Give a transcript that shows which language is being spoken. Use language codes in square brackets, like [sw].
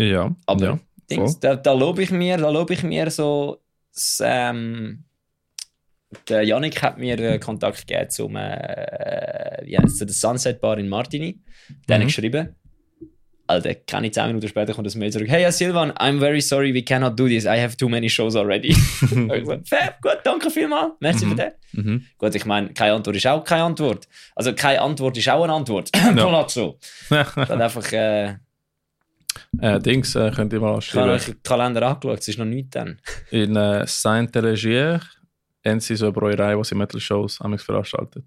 [de] Ja, aber ja. Dings, da lobe ich mir, so das, der Yannick hat mir Kontakt gegeben zum der Sunset Bar in Martini. Den habe ich geschrieben. Alter, keine 10 Minuten später kommt das Mail zurück. [en] Hey, Silvan, I'm very sorry, we cannot do this. I have too many shows already. [de] Also, fair, gut, danke vielmals. Merci für das. Gut, ich meine, keine Antwort ist auch keine Antwort. Also, keine Antwort ist auch eine Antwort. Palazzo. Dann einfach... Dings, könnt ihr mal schreiben. Ich habe euch den Kalender angeschaut, es ist noch nichts dann. In Saint-Élégier haben sie so eine Brauerei, die sie Metal-Shows veranstaltet.